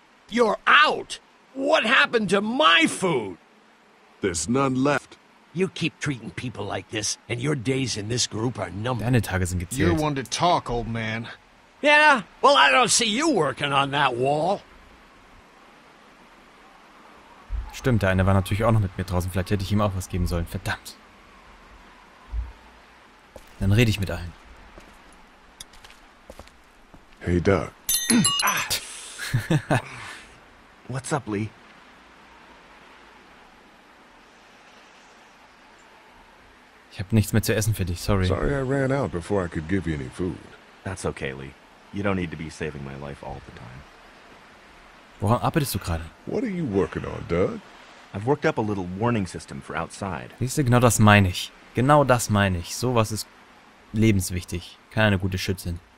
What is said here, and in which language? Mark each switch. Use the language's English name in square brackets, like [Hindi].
[English] You're out! What happened to my food? There's none left. You keep treating people like this, and your days in this group are numbered. [German] Deine Tage sind gezählt. [English] You're one to talk, old man. Yeah? Well, I don't see you working on that wall. [German] Stimmt, der eine war natürlich auch noch mit mir draußen. Vielleicht hätte ich ihm auch was geben sollen. Verdammt. Dann rede ich mit allen. [English] Hey, Doug. What's up, Lee? [German] Ich hab nichts mehr zu essen für dich, sorry. [English] Sorry I ran out before I could give you any food. That's okay, Lee. You don't need to be saving my life all the time. [German] Woran arbeitest du gerade? [English] What are you working on, Doug? I've worked up a little warning system for outside. [German] Siehst du, genau das meine ich. Genau das meine ich. Sowas ist lebenswichtig. Keine gute Schützin.